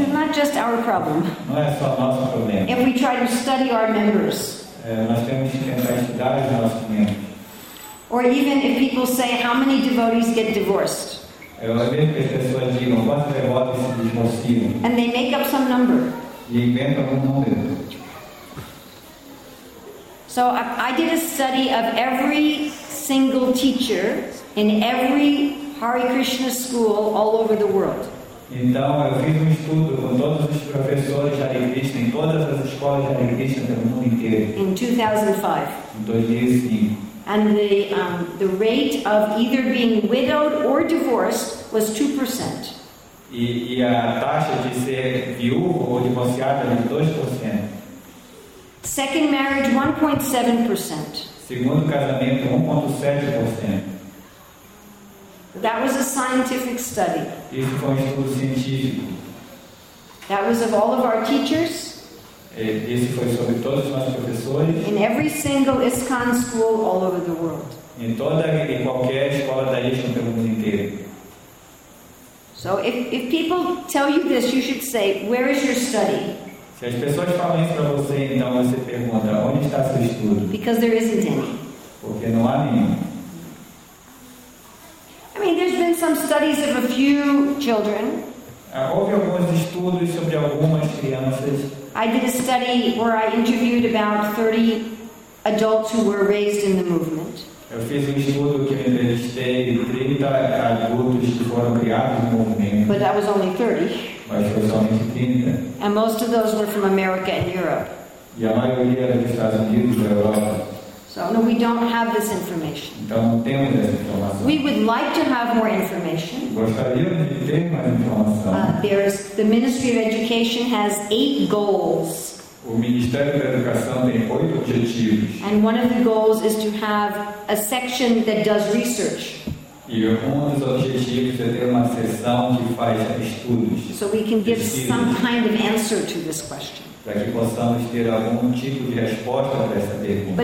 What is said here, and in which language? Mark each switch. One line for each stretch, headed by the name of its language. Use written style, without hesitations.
English: It's not just our problem.
Portuguese: Não é só nosso problema.
English: If we try to study our members.
Portuguese: Nós temos que tentar estudar os nossos membros.
English: Or even if people say how many devotees get divorced.
Portuguese: Eu vejo que as pessoas digam quantos devotos se divorciam.
English: And they make up some number.
Portuguese: E inventam número.
English: So I did a study of every single teacher in every Hare Krishna school all over the world.
Portuguese: Então eu fiz estudo com todos os professores de Hare Krishna em todas as escolas de Hare Krishna do mundo inteiro.
English: In 2005.
Portuguese: Em 2005.
English: And the rate of either being widowed or divorced was 2%.
Portuguese: E a taxa de ser viúvo ou divorciado era 2%.
English: Second marriage 1.7%.
Portuguese: Segundo casamento 1.7%.
English: That was a scientific study.
Portuguese: Isso foi estudo científico.
English: That was of all of our teachers.
Portuguese: Isso foi sobre todos os nossos professores.
English: In every single ISKCON school all over the world.
Portuguese: Em qualquer escola da ISKCON pelo mundo inteiro.
English: So if people tell you this, you should say, where is your study?
Portuguese: Se as pessoas falam isso para você, então você pergunta, onde está seu estudo?
English: Because there isn't any.
Portuguese: Porque não há nenhum.
English: some studies of a few children.
Portuguese: Houve alguns estudos sobre algumas crianças.
English: I did a study where I interviewed about 30 adults who were raised in the movement.
Portuguese: Eu fiz um estudo que entrevistei 30 adultos que foram criados no movimento.
English: But that was only 30.
Portuguese: Mas foi somente 30.
English: And most of those were from America and Europe.
Portuguese: E a maioria era dos Estados Unidos e da Europa.
English: So no, we don't have this information.
Portuguese: Então não temos essa informação.
English: We would like to have more information.
Portuguese: Gostaríamos de ter mais informação.
English: The Ministry of Education has 8 goals.
Portuguese: O Ministério da Educação tem 8 objetivos.
English: And one of the goals is to have a section that does research.
Portuguese: E um dos objetivos é ter uma seção que faz estudos.
English: So we can give some kind of answer to this question.
Portuguese: Para que possamos ter algum tipo de resposta para essa pergunta.